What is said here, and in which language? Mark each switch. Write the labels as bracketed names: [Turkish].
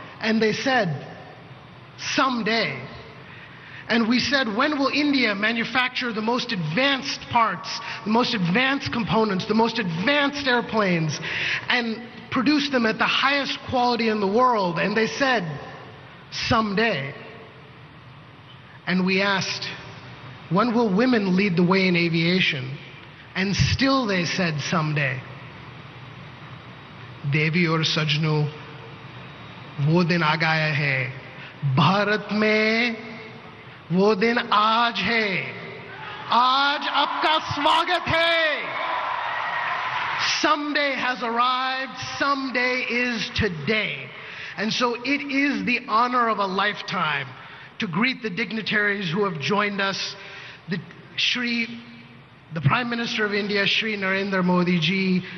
[English] And they said, someday. And we said, when will India manufacture the most advanced parts, the most advanced components, the most advanced airplanes, and produce them at the highest quality in the world? And they said, someday. And we asked, when will women lead the way in aviation? And still they said, someday. [Hindi] देवी और सज्नु, वो दिन आ गया है। भारत में वो दिन आज है। आज आपका स्वागत है। [English] Someday has arrived. Someday is today. And so it is the honor of a lifetime to greet the dignitaries who have joined us, the Prime Minister of India, Sri Narendra Modi ji.